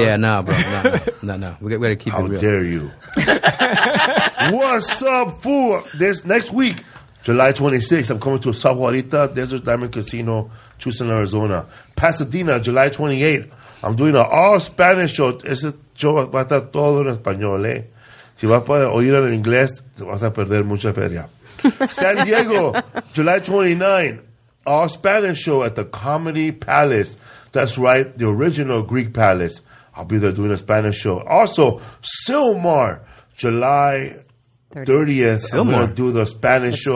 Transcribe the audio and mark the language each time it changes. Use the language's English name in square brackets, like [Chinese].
[English] Yeah, no, bro. We gotta keep it real. How dare you? What's up, fool? This next week... July 26th, I'm coming to Sa Juarita Desert Diamond Casino, Tucson, Arizona. Pasadena, July 28th, I'm doing an all-Spanish show. [Spanish] Ese show va a estar todo en español, eh? Si vas para oír en inglés, te vas a perder mucha feria. [English] San Diego, July 29th, all-Spanish show at the Comedy Palace. That's right, the original Greek Palace. I'll be there doing a Spanish show. Also, Sylmar, July 30th, I'm going to do the Spanish show.